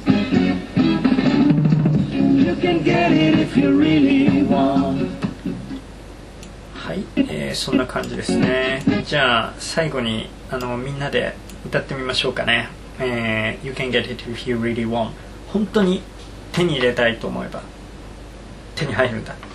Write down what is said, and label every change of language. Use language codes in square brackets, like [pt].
[en] You can get it if you really want. [ja] はい、そんな感じですね。じゃあ最後にみんなで歌ってみましょうかね。 [en] You can get it if you really want. [ja] 本当に手に入れたいと思えば手に入るんだ。